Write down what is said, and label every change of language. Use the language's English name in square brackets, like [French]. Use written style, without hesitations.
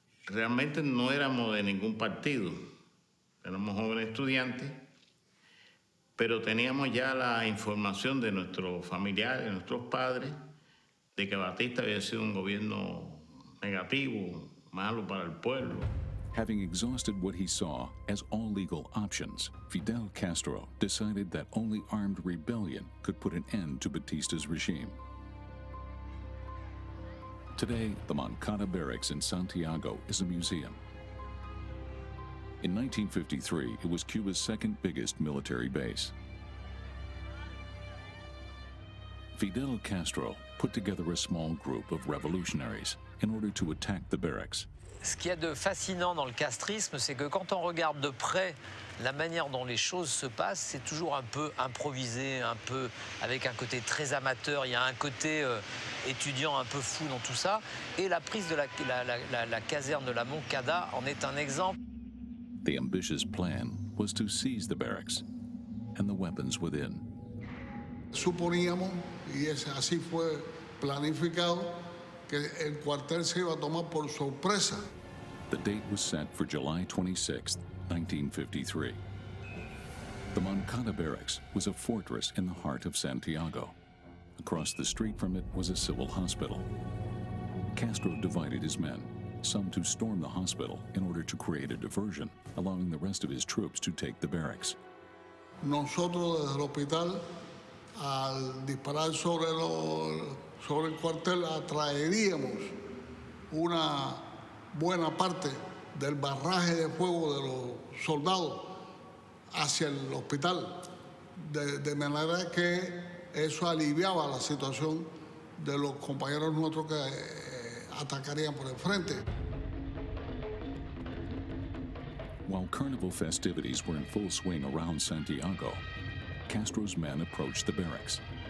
[Spanish] Realmente no éramos de ningún partido. Éramos jóvenes estudiantes, pero teníamos ya la información de nuestros familiares, de nuestros padres, de que Batista había sido un gobierno negativo, malo para el pueblo. [English] Having exhausted what he saw as all legal options, Fidel Castro decided that only armed rebellion could put an end to Batista's regime. Today, the Moncada Barracks in Santiago is a museum. In 1953, it was Cuba's second biggest military base. Fidel Castro put together a small group of revolutionaries in order to attack the barracks. [French] Ce qu'il y a de fascinant dans le castrisme, c'est que quand on regarde de près la manière dont les choses se passent, c'est toujours un peu improvisé, un peu avec un côté très amateur. Il y a un côté étudiant un peu fou dans tout ça. Et la prise de la caserne de la Moncada en est un exemple. [English] The ambitious plan was to seize the barracks and the weapons within. [Spanish] Suponíamos, y así fue planificado, que el cuartel se iba a tomar por sorpresa. [English] The date was set for July 26, 1953. The Moncada Barracks was a fortress in the heart of Santiago. Across the street from it was a civil hospital. Castro divided his men, some to storm the hospital in order to create a diversion, allowing the rest of his troops to take the barracks. [Spanish] Nosotros desde el hospital, al disparar sobre los... sobre el cuartel atraeríamos una buena parte del barraje de fuego de los soldados hacia el hospital, de manera que eso aliviaba la situación de los compañeros nuestros que atacarían por el frente. [English] While carnival festivities were in full swing around Santiago, Castro's men approached the barracks.